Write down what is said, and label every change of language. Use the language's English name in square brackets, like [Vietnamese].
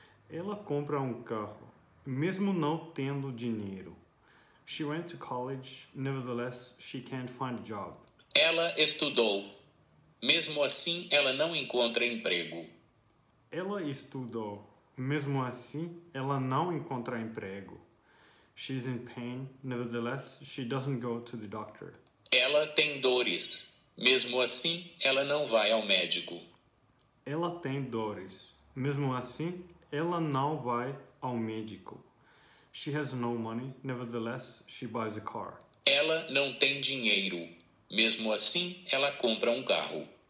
[Portuguese] Ela compra um carro, mesmo não tendo dinheiro. [English] She went to college, nevertheless, she can't find a job. [Portuguese] Ela estudou, mesmo assim, ela não encontra emprego. Ela estudou, mesmo assim, ela não encontra emprego. [English] She's in pain, nevertheless, she doesn't go to the doctor. [Portuguese] Ela tem dores, mesmo assim, ela não vai ao médico. Ela tem dores, mesmo assim, ela não vai ao médico. [English] She has no money, nevertheless, she buys a car. [Portuguese] Ela não tem dinheiro, mesmo assim, ela compra um carro.